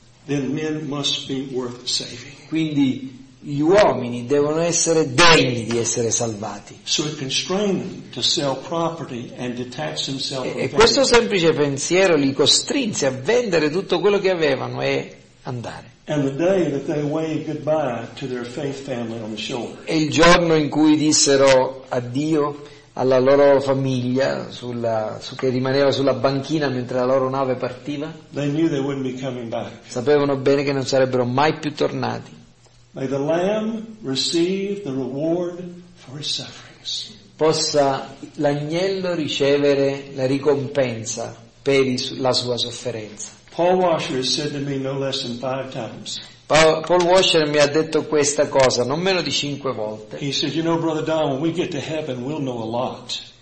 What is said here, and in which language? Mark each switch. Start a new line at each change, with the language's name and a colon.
English: then men must be worth saving.
Italian: Quindi gli uomini devono essere degni di essere salvati. E questo semplice pensiero li costrinse a vendere tutto quello che avevano e andare.
English: And the day that they waved goodbye to their faith family on the shore.
Italian: E il giorno in cui dissero addio alla loro famiglia che rimaneva sulla banchina mentre la loro nave partiva.
English: They knew they wouldn't be coming back.
Italian: Sapevano bene che non sarebbero mai più tornati.
English: May the Lamb receive the reward for his sufferings.
Italian: Possa l'agnello ricevere la ricompensa per la sua sofferenza.
English: Paul Washer has said to me no less than 5 times.
Italian: Paul Washer mi ha detto questa cosa non meno di 5 volte.
English: He said, "You know, Brother Don, when we get to heaven, we'll know a lot."